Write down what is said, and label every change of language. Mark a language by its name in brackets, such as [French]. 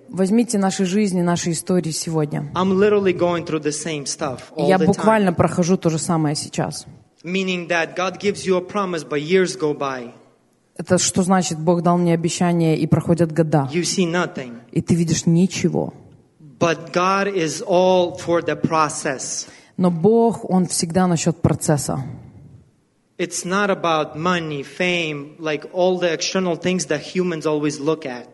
[Russian] Возьмите наши жизни, наши истории сегодня. [English] I'm literally going through the same stuff all the time. [Russian] Я буквально прохожу то же самое сейчас. [English] Meaning that God gives you a promise, but years go by. [Russian] Это что значит? Бог дал мне обещание, и проходят года. [English] You see nothing. [Russian] И ты видишь ничего. [English] But God is all for the process. [Russian] Но Бог, он всегда насчет процесса. [English] It's not about money, fame, like all the external things that humans always look at.